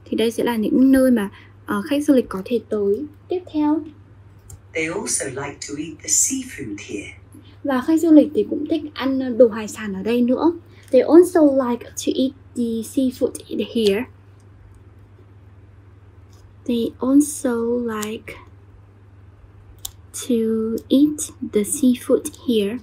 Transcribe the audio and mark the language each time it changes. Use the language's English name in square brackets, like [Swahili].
[Vietnamese] Thì đây sẽ là những nơi mà khách du lịch có thể tới. Tiếp theo. [English] They also like to eat the seafood here. [Vietnamese] Và khách du lịch thì cũng thích ăn đồ hải sản ở đây nữa. [English] They also like to eat the seafood here. They also like to eat the seafood here.